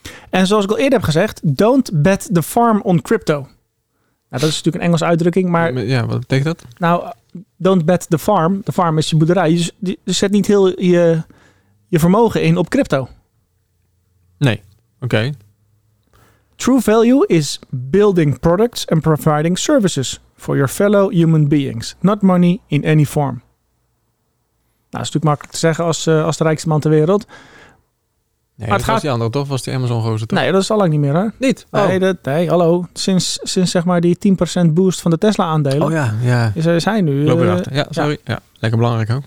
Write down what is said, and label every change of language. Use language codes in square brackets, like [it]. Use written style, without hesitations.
[nl] En zoals ik al eerder heb gezegd, [en] don't bet the farm on crypto. [nl] Nou, dat is natuurlijk een Engelse uitdrukking, maar... Ja, wat betekent dat? Nou, [en] don't bet the farm. [nl] De farm is je boerderij. Je zet niet heel je vermogen in op crypto. Nee, oké. Okay. [en] True value is building products and providing services for your fellow human beings. Not money in any form. [nl] Nou, dat is natuurlijk makkelijk te zeggen als de rijkste man ter wereld. Nee, maar was die andere toch? Was die Amazon-gozer toch? Nee, dat is al lang niet meer, hè? Niet? Oh. Nee, hallo. Sinds zeg maar die 10% boost van de Tesla-aandelen. Oh ja, ja. Is hij nu... Loop erachter. Ja, sorry. Ja. Ja, lekker belangrijk ook.